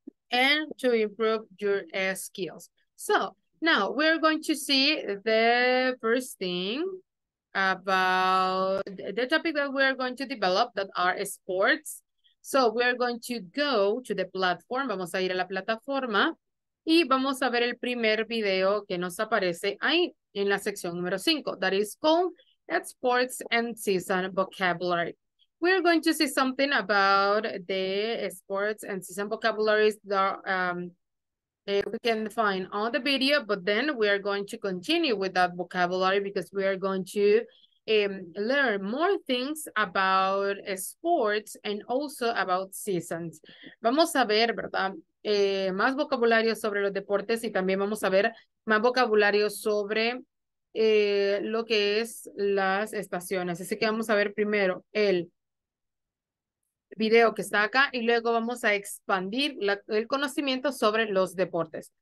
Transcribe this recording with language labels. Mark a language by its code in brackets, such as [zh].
[en] and to improve your skills. So now we're going to see the first thing about the topic that we're going to develop, that are sports. So we're going to go to the platform. [es] Vamos a ir a la plataforma y vamos a ver el primer video que nos aparece ahí en la sección número 5. [en] That is called Sports and Season Vocabulary. We're going to see something about the sports and season vocabularies that we can find on the video, but then we are going to continue with that vocabulary because we are going to learn more things about sports and also about seasons. [es] Vamos a ver, ¿verdad? Más vocabulario sobre los deportes y también vamos a ver más vocabulario sobre lo que es las estaciones. Así que vamos a ver primero el video que está acá y luego vamos a expandir el conocimiento sobre los deportes.